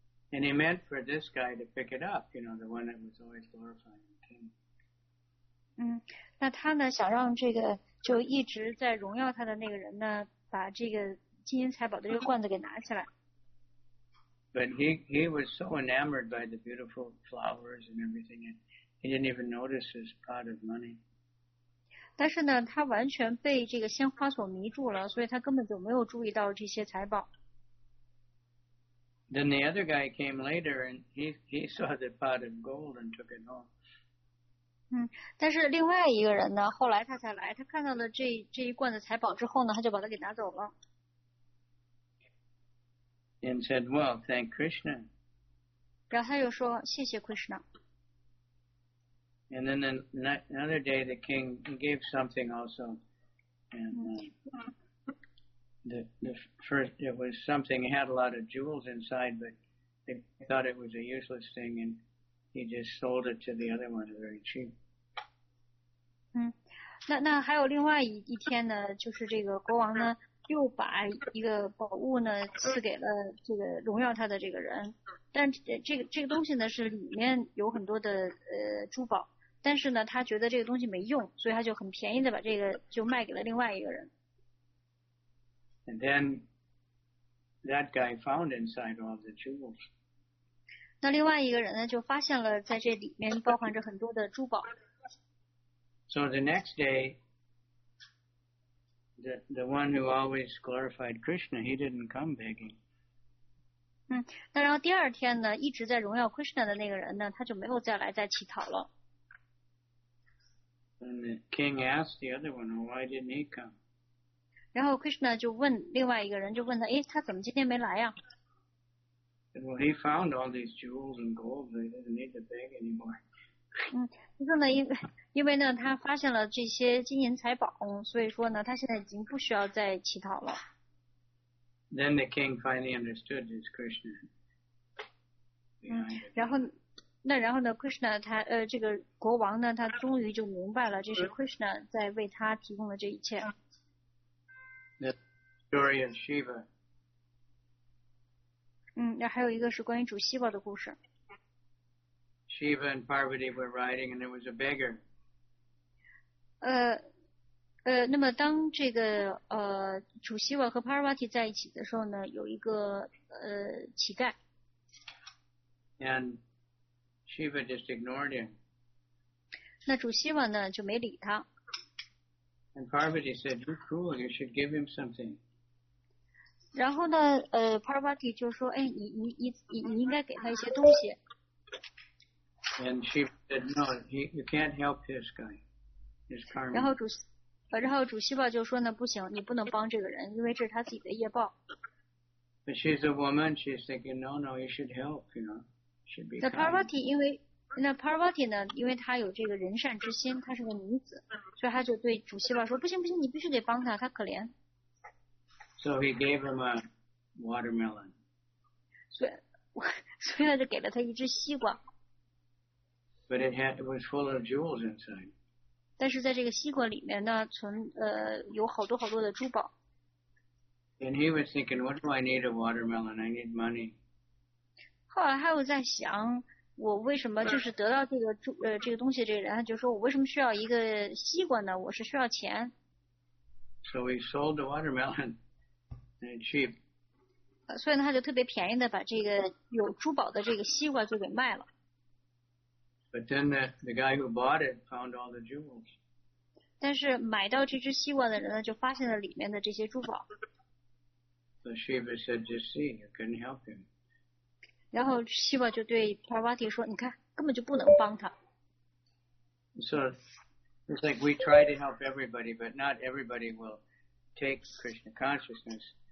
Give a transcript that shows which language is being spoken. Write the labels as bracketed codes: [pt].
[en] And he meant for this guy to pick it up, you know, the one that was always glorifying the king. [zh] 那他呢想让这个就一直在荣耀他的那个人呢把这个金银财宝的这个罐子给拿起来。 [en] But he was so enamored by the beautiful flowers and everything, and he didn't even notice his pot of money. [zh] 但是呢，他完全被这个鲜花所迷住了，所以他根本就没有注意到这些财宝。 [en] Then the other guy came later, and he saw the pot of gold and took it home. [zh] 但是另外一个人呢，后来他才来，他看到了这一罐子财宝之后呢，他就把它给拿走了。 [en] And said, well, thank Krishna. [zh] 然后他又说谢谢 Krishna. [en] And then another day the king gave something also. And the first, it was something, it had a lot of jewels inside, but they thought it was a useless thing and he just sold it to the other one very cheap. [zh] 那还有另外一天呢，就是这个国王呢又把一个宝物呢赐给了这个荣耀他的这个人，但这个东西呢是里面有很多的珠宝，但是呢他觉得这个东西没用，所以他就很便宜的把这个就卖给了另外一个人。 [en] And then that guy found inside all the jewels. [zh] 那另外一个人呢就发现了在这里面包含着很多的珠宝。 [en] So the next day,The one who always glorified Krishna, he didn't come begging. [zh] 那然后第二天呢，一直在荣耀 Krishna 的那个人呢，他就没有再来再乞讨了。 [en] And the king asked the other one, why didn't he come? [zh] 然后 Krishna 就问另外一个人，就问他，哎，他怎么今天没来呀？ [en] Well, he found all these jewels and gold, so he didn't need to beg anymore. [zh] 他说呢，因为呢，他发现了这些金银财宝，所以说呢，他现在已经不需要再乞讨了。 [en] Then the king finally understood it's Krishna. [zh] 然后呢 ，Krishna 他这个国王呢，他终于就明白了，这是 Krishna 在为他提供的这一切。 [en] The story of Shiva. [zh] 那还有一个是关于主西瓜的故事。 [en] Shiva and Parvati were riding, and there was a beggar. [zh] 那么当这个主西瓦和 Parvati 在一起的时候呢，有一个乞丐。 [en] And Shiva just ignored him. [zh] 那主西瓦呢就没理他。 [en] And Parvati said, "You're cruel. You should give him something." [zh] 然后呢，Parvati 就说，哎，你应该给他一些东西。 [en] And she said, "No, you can't help this guy. His karma." [zh] 然后主西瓦就说呢，不行，你不能帮这个人，因为这是他自己的业报。 [en] But she's a woman. She's thinking, "No, no, you should help. You know, should be." [zh] 那 Parvati 呢？因为她有这个仁善之心，她是个女子，所以她就对主西瓦说，不行，你必须得帮她，她可怜。 [en] So he gave him a watermelon. [zh] 所以他就给了他一只西瓜。 [en] But it was full of jewels inside. [zh] 但是在这个西瓜里面呢，有好多好多的珠宝。 [en] And he was thinking, what do I need a watermelon? I need money. [zh] 后来他又在想，我为什么就是得到这个东西这个人，他就说我为什么需要一个西瓜呢？我是需要钱。 [en] So he sold the watermelon, and cheap. [zh] 所以呢，他就特别便宜的把这个有珠宝的这个西瓜就给卖了。 [en] But then the guy who bought it found all the jewels. [zh] 但是买到这只西瓜的人呢，就发现了里面的这些珠宝。 [en] So Shiva said, "Just see, you couldn't help him." [zh] 然后西瓜就对 Parvati 说，你看，根本就不能帮他。 [en] So it's like we try to help everybody, but not everybody will take Krishna consciousness.